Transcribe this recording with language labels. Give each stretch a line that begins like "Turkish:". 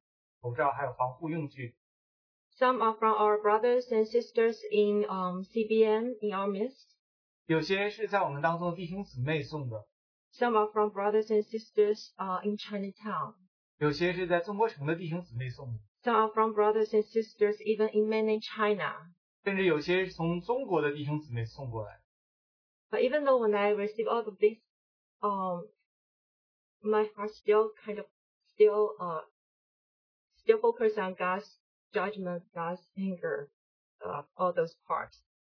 Chinese: 但是感谢神，就在那段时间，我得别人送了我们很多N95的口罩，还有防护用具。
English: Some are from our brothers and sisters in CBN in our midst.
Chinese: 有些是在我们当中弟兄姊妹送的。
English: Some are from brothers and sisters in Chinatown.
Chinese: 有些是在中国城的弟兄姊妹送的。
English: Some are from brothers and sisters even in mainland China.
Chinese: 甚至有些是从中国的弟兄姊妹送过来。But
English: even though when I receive all of this, my heart still focus on God's judgment, God's anger, all those parts.